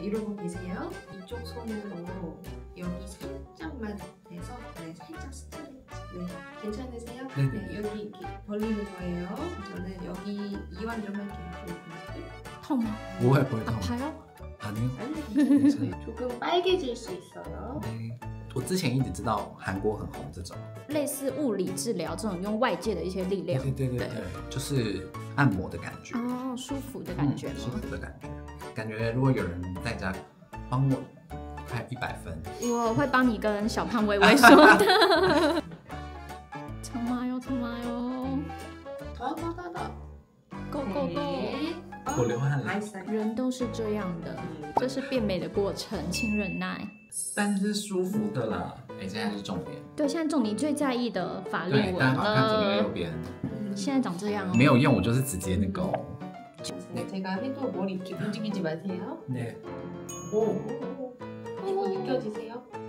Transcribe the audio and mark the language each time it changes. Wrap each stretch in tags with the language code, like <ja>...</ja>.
<ko>이러고계세요이쪽손으로여기살짝만대서네살짝스트레치네괜찮으세요 네, 네 여기이렇게벌리는거예요저는여기이완좀할게요보여주세요 통마 뭐해보여 통아파요 아니요 아니요조금빨개질수있어요</ko> <zh>네我之前一直知道韩国很红这种类似物理治疗这种用外界的一些力量，对对对 对, 對，就是按摩的感觉哦，舒服的感觉、嗯，舒服的感觉，感觉如果有人在家帮我拍100分，我会帮你跟小胖微微说的。他妈哟他妈哟，哒哒哒哒</zh> <en>，Go Go Go！</en> <zh>我流汗了，人都是这样的，这是变美的过程，请忍耐。但是舒服的啦，哎，现在是重点。对，现在重点最在意的法令纹了。对，大家好看左边右边。现在长这样、哦。没有用，我就是直接那个。</zh> <ko>네제가해도머리이렇게움직이지마세요 네 오오오오오오느껴지세요</ko>